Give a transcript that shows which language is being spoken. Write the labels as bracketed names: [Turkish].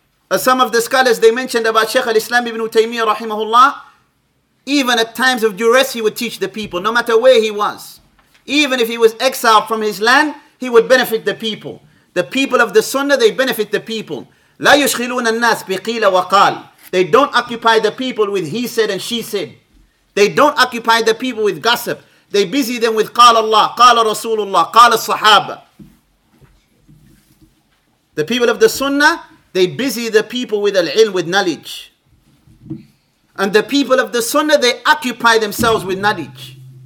[English] As some of the scholars, they mentioned about Shaykh al-Islam ibn Taymiyyah rahimahullah, even at times of duress, he would teach the people, no matter where he was. Even if he was exiled from his land, he would benefit the people. The people of the sunnah, they benefit the people. [Arabic] لَا يُشْخِلُونَ النَّاسِ بِقِيلَ وَقَالَ. [English] They don't occupy the people with he said and she said. They don't occupy the people with gossip. They busy them with [Arabic] قال الله, قال رسول الله, قال الصحابة. [English] The people of the sunnah, they busy the people with al-ilm, with knowledge. And the people of the sunnah, they occupy themselves with knowledge.